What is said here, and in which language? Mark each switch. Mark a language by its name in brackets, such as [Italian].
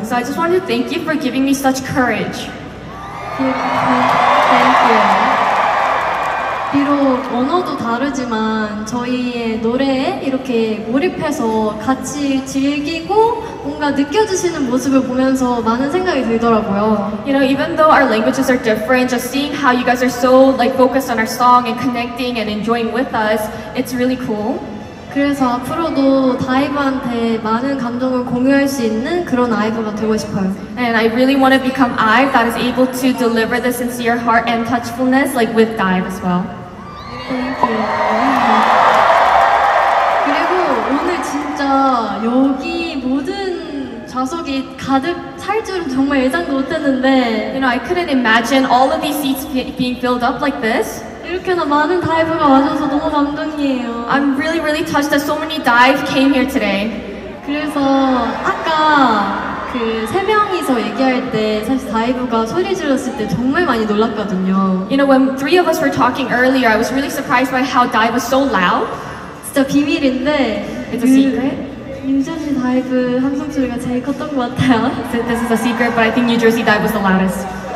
[English] So I just want to thank you for giving me such courage. Thank you. [Korean] 비록 언어도 다르지만 저희의 노래에 이렇게 몰입해서 같이 즐기고 뭔가 느껴주시는 모습을 보면서 많은 생각이 들더라고요. [English] You know, even though our languages are different, just seeing how you guys are so like focused on our song and connecting and enjoying with us, it's really cool. [Korean] 그래서 앞으로도 다이브한테 많은 감정을 공유할 수 있는 그런 아이브가 되고 싶어요. [English] And I really want to become IVE that is able to deliver the sincere heart and touchfulness like with Dive as well. Thank you. [Korean] 그리고 오늘 진짜 여기 모든 좌석이 가득 찰 줄은 정말 예상도 못했는데 [English] You know, I couldn't imagine all of these seats being filled up like this. [Korean] 이렇게나 많은 다이브가 와줘서 너무 감동이에요. [English] I'm really really touched that so many dive came here today. [Korean] 그래서 아까 그 세 명이서 얘기할 때 사실 다이브가 소리 질렀을 때 정말 많이 놀랐거든요. [English] You know, when three of us were talking earlier, I was really surprised by how dive was so loud. [Korean] 진짜 비밀인데 [English] It's a secret. [Korean] 뉴저지 다이브 한 목소리가 제일 컸던 것 같아요. [English] This is a secret, but I think New Jersey dive was the loudest.